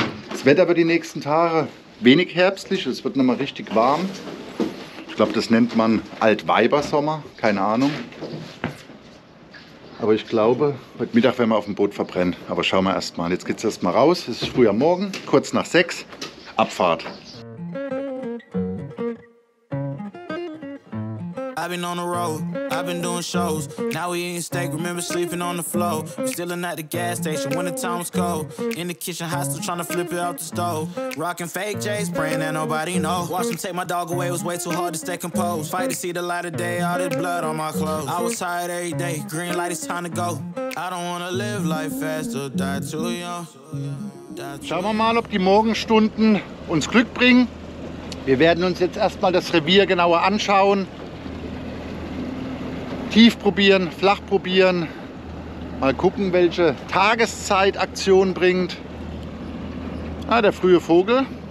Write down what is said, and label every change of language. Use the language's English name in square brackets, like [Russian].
[German] Das Wetter wird die nächsten Tage wenig herbstlich, es wird nochmal richtig warm. Ich glaube, das nennt man Altweibersommer, keine Ahnung. Aber ich glaube, heute Mittag werden wir auf dem Boot verbrennen. Aber schauen wir erst mal. Jetzt geht es erst mal raus. Es ist früher Morgen, kurz nach 6. Abfahrt. [English] I've been on the road, I've been doing shows. Now we eating steak, remember sleeping on the floor. We're stealing at the gas station when the time was cold. In the kitchen, hot still trying to flip it off the stove. Rocking fake J's, praying that nobody know. Watch them take my dog away, it was way too hard to stay composed. Fight to see the light of day, all this blood on my clothes. I was tired every day, green light, it's time to go. I don't wanna live life fast or die too young. [German] Schauen wir mal, ob die Morgenstunden uns Glück bringen. Wir werden uns jetzt erstmal das Revier genauer anschauen. Tief probieren, flach probieren, mal gucken, welche Tageszeitaktion bringt. Ah, der frühe Vogel.